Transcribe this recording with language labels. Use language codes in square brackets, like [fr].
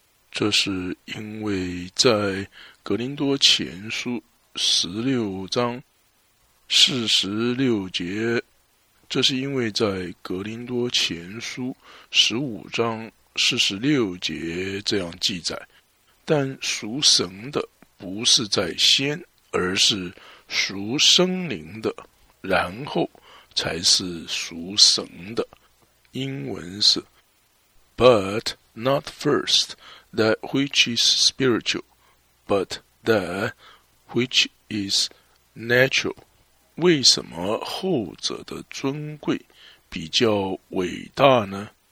[zh] 这是因为在格林多前书16章46节，这是因为在格林多前书15章46节这样记载，但属神的不是在先，而是属生灵的，然后才是属神的。英文是 [en] But not first that which is spiritual, but that which is natural. [zh] 为什么后者的尊贵比较伟大呢？